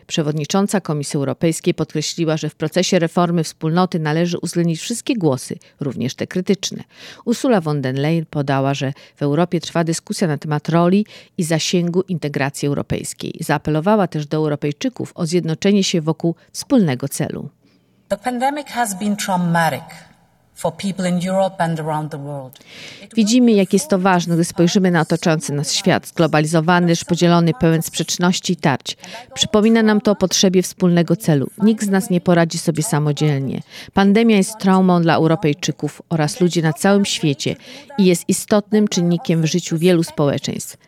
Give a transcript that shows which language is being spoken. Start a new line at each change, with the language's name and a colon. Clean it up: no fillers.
Polish: Przewodnicząca Komisji Europejskiej podkreśliła, że w procesie reformy wspólnoty należy uwzględnić wszystkie głosy, również te krytyczne. Ursula von der Leyen podała, że w Europie trwa dyskusja na temat roli i zasięgu integracji europejskiej. Zaapelowała też do Europejczyków o zjednoczenie się wokół wspólnego celu.
English: The pandemic has been traumatic for people in Europe and around the world.
Polish: Widzimy, jak jest to ważne, gdy spojrzymy na otaczający nas świat, zglobalizowany, podzielony, pełen sprzeczności i tarć. Przypomina nam to o potrzebie wspólnego celu. Nikt z nas nie poradzi sobie samodzielnie. Pandemia jest traumą dla Europejczyków oraz ludzi na całym świecie i jest istotnym czynnikiem w życiu wielu społeczeństw.